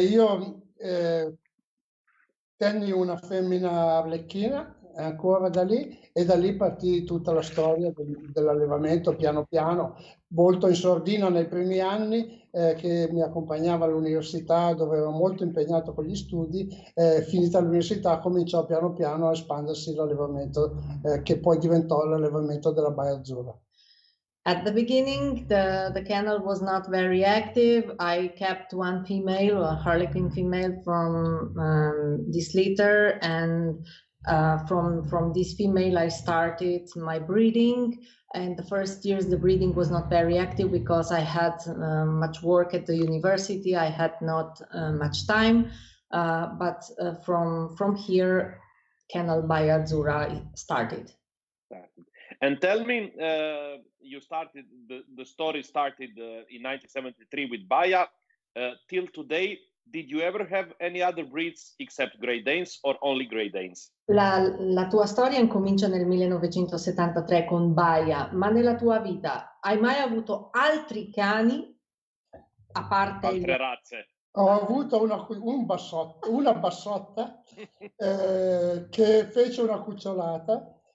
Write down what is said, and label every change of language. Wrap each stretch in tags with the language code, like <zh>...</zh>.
<it>Io tenni una femmina arlecchina ancora da lì, e da lì partì tutta la storia dell'allevamento piano piano, molto in sordina nei primi anni, che mi accompagnava all'università, dove ero molto impegnato con gli studi. Finita l'università cominciò piano piano a espandersi l'allevamento, che poi diventò l'allevamento della Baia Azzurra.</it> <en>At the beginning, the kennel was not very active. I kept one female, a Harlequin female, from this litter, and from this female I started my breeding. And the first years the breeding was not very active because I had much work at the university. I had not much time, but from here, kennel Baia Azzurra started. And tell me, you started, the story started in 1973 with Baia. Till today, Did you ever have any other breeds except Great Danes or only Great Danes?</en> <it>La tua storia incomincia nel 1973 con Baia, ma nella tua vita hai mai avuto altri cani a parte altre razze? Ho avuto una bassotta che fece una cucciolata.</it>